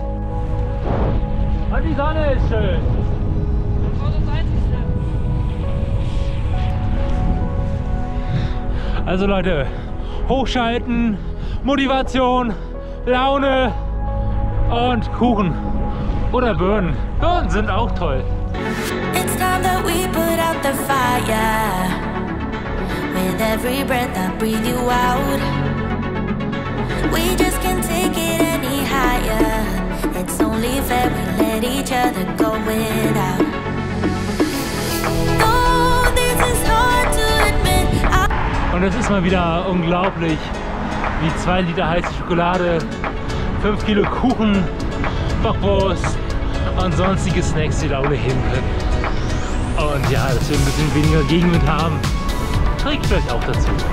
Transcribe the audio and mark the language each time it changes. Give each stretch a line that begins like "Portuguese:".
German: Und die Sonne ist schön. Also Leute, hochschalten, Motivation, Laune und Kuchen oder Birnen. Birnen sind auch toll.
English: It's time that we put out the fire. With every breath I breathe you out. We just can't take it any higher. It's only fair we let each other go without. Oh, this is hard to do.
German: Und es ist mal wieder unglaublich, wie 2 Liter heiße Schokolade, 5 Kilo Kuchen, Bockwurst und sonstige Snacks die da ohne hin können. Und ja, dass wir ein bisschen weniger Gegenwind haben, trägt vielleicht auch dazu.